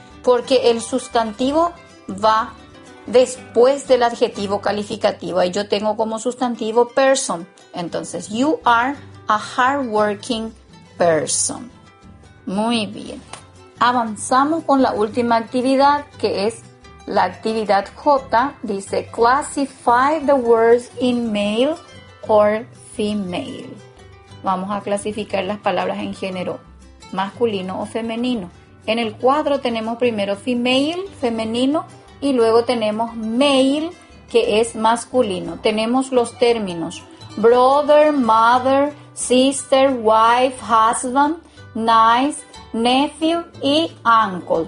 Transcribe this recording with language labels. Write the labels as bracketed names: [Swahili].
[Spanish] Porque el sustantivo va después del adjetivo calificativo. Y yo tengo como sustantivo person. Entonces, [English] you are a hardworking person. [Spanish] Muy bien. Avanzamos con la última actividad, que es la actividad J. [English] Dice, classify the words in male or female. [Spanish] Vamos a clasificar las palabras en género masculino o femenino. En el cuadro tenemos primero female, femenino, y luego tenemos male, que es masculino. Tenemos los términos brother, mother, sister, wife, husband, nice, nephew y uncle.